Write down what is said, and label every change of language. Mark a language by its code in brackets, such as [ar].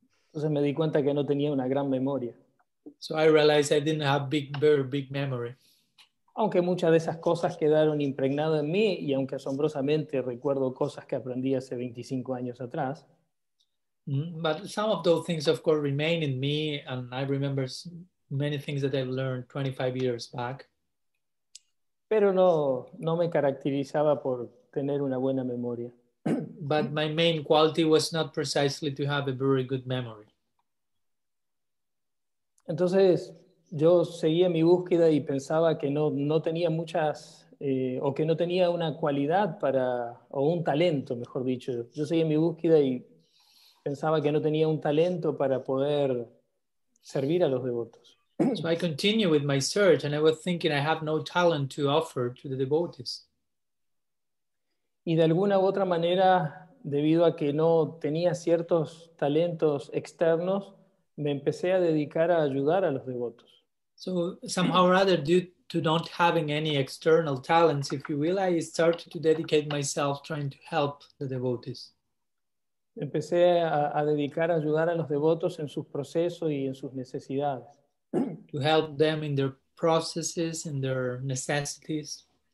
[es] Entonces me di cuenta que no tenía una gran memoria. [en] So I realized I didn't have very big memory. [es] Aunque muchas de esas cosas quedaron impregnadas en mí y aunque asombrosamente recuerdo cosas que aprendí hace 25 años atrás. [en] But some of those things of course remain in me and I remember many things that I've learned 25 years back. [es] Pero no me caracterizaba por tener una buena memoria. [en] But my main quality was not precisely to have a very good memory. [es] Entonces, yo seguía mi búsqueda y pensaba que no tenía muchas, o que no tenía una cualidad para, o un talento, mejor dicho. Yo seguía mi búsqueda y pensaba que no tenía un talento para poder servir a los devotos. [en] So I continued with my search and I was thinking I have no talent to offer to the devotees. [es] Y de alguna u otra manera, debido a que no tenía ciertos talentos externos, me empecé a dedicar a ayudar a los devotos. [en] So somehow or other, due to not having any external talents, if you will, I started to dedicate myself trying to help the devotees. [es] Empecé a dedicar a ayudar a los devotos en sus procesos y en sus necesidades. [en] To help them in their processes and their necessities.